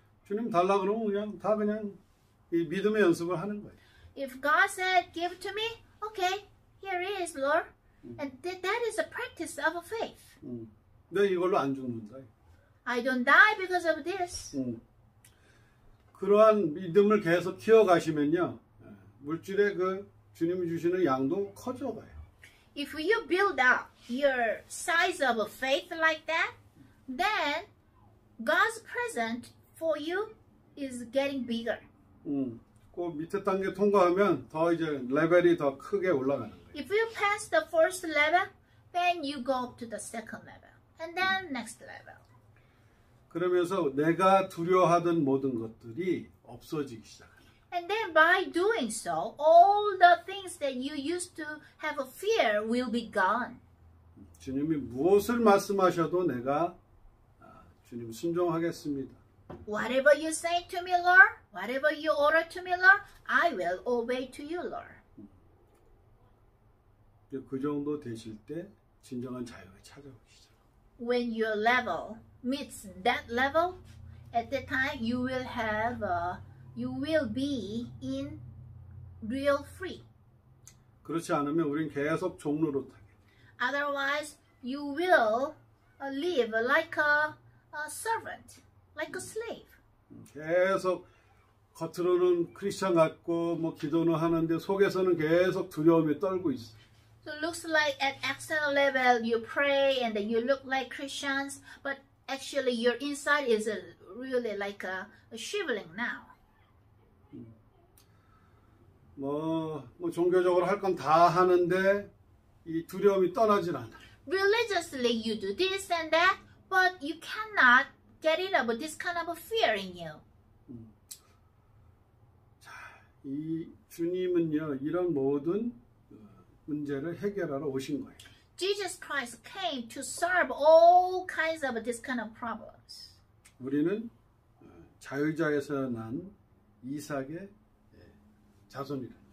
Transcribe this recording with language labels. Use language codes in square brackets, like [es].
[ko] 주님 달라 그러면 그냥 다 그냥 이 믿음의 연습을 하는 거예요. [en] If God said give to me, okay, here it is, Lord. And that is a practice of a faith. [ko] 내 이걸로 안 죽는다. [en] I don't die because of this. [ko] 그러한 믿음을 계속 키워가시면요, 물질의 그 주님이 주시는 양도 커져가요. [en] If you build up your size of a faith like that, then God's present for you is getting bigger. [ko] 그 밑에 단계 통과하면 더 이제 레벨이 더 크게 올라가는 거예요. [en] If you pass the first level, then you go up to the second level, and then next level. [ko] 그러면서 내가 두려워하던 모든 것들이 없어지기 시작합니다. [en] And then by doing so, all the things that you used to have a fear will be gone. [ko] 주님이 무엇을 말씀하셔도 내가 주님 순종하겠습니다. [en] Whatever you say to me, Lord, whatever you order to me, Lord, I will obey to you, Lord. [ko] 그 정도 되실 때 진정한 자유를 찾아오기 시작합니다. [en] When your level meets that level, at that time you will have, you will be in real free. [ko] 그렇지 않으면 우린 계속 종로로 타게. [en] Otherwise, you will live like a servant, like a slave. [ko] 계속 겉으로는 크리스천 같고 뭐 기도는 하는데 속에서는 계속 두려움에 떨고 있어. [en] So looks like at external level you pray and you look like Christians, but actually, your inside is a really like a shriveling now. [ko] 뭐 종교적으로 할 건 다 하는데 이 두려움이 떠나질 않아. [en] Religiously, you do this and that, but you cannot get rid of this kind of a fear in you. [ko] 자, 이 주님은요 이런 모든 문제를 해결하러 오신 거예요. [en] Jesus Christ came to solve all kinds of this kind of problems. [ko] 우리는 자유자에서 난 이삭의 자손이다.